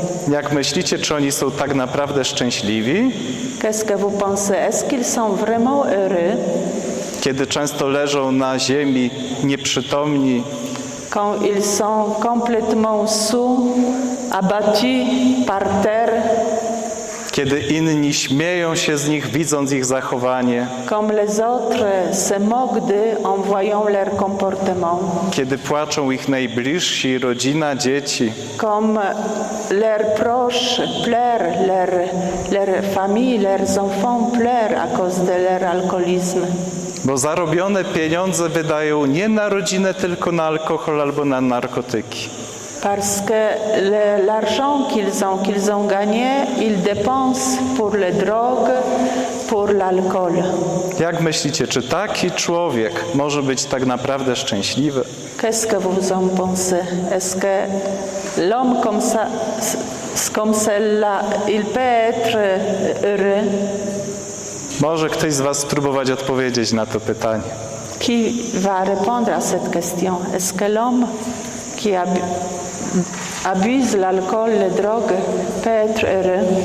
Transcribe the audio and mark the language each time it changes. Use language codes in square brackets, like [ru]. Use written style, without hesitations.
[pl] Jak myślicie, czy oni są tak naprawdę szczęśliwi? [fr] Qu'est-ce que vous pensez? Est-ce qu'ils sont vraiment heureux? [pl] Kiedy często leżą na ziemi nieprzytomni. [fr] Quand ils sont complètement sous, abattus par terre. [pl] Kiedy inni śmieją się z nich, widząc ich zachowanie. [fr] Comme les autres se moquent d'eux en voyant leur comportement. [pl] Kiedy płaczą ich najbliżsi, rodzina, dzieci. [fr] Comme leurs proches pleurent, leur famille, leurs enfants pleurent à cause de leur alcoholisme. [pl] Bo zarobione pieniądze wydają nie na rodzinę, tylko na alkohol albo na narkotyki. [fr] Parce que l'argent qu'ils ont gagné, ils dépensent pour les drogues, pour l'alcool. [pl] Jak myślicie, czy taki człowiek może być tak naprawdę szczęśliwy? [fr] Qu'est-ce que vous en pensez? Est-ce que l'homme comme cela, il peut être heureux? [pl] Może ktoś z was spróbować odpowiedzieć na to pytanie. [fr] Qui va répondre à cette question? Est-ce que l'homme qui a abuse l'alcool, les drogues, peut être heureux?